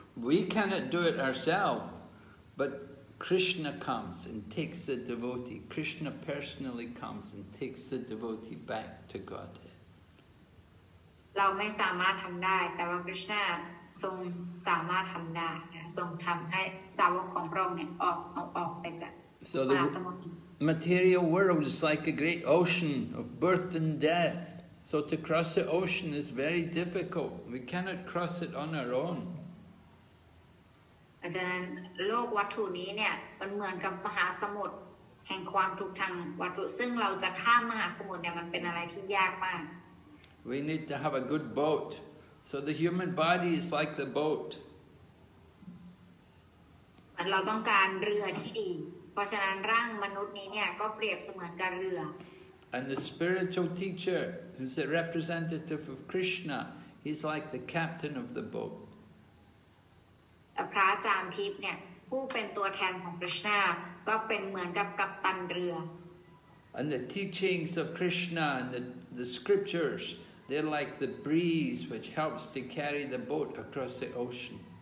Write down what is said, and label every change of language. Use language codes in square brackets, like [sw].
[en] We cannot do it ourselves but Krishna comes and takes the devotee Krishna personally comes and takes the devotee back to Godhead [th] เราไม่สามารถทำได้แต่ว่าคริชนาทรงสามารถทำได้นะทรงทำให้สาวกของพระองค์เนี่ยออกไปจาก [en] So the material world is like a great ocean of birth and death. So to cross the ocean is very difficult. We cannot cross it on our own. [th] ดังนั้นโลกวัตถุนี้เนี่ยมันเหมือนกับมหาสมุทรแห่งความทุกข์ทางวัตถุซึ่งเราจะข้ามมหาสมุทรเนี่ยมันเป็นอะไรที่ยากมาก [en] We need to have a good boat. So the human body is like the boat. [th] เราต้องการเรือที่ดีเพราะฉะนั้นร่างมนุษย์นี้เนี่ยก็เปรียบเสมือนกับเรือ [en] And the spiritual teacher who's a representative of Krishna he's like the captain of the boat [th] พระอาจารย์ทิพย์เนี่ยผู้เป็นตัวแทนของ Krishna ก็เป็นเหมือนกับกัปตันเรือ [en] And the teachings of Krishna and the scriptures they're like the breeze which helps to carry the boat across the ocean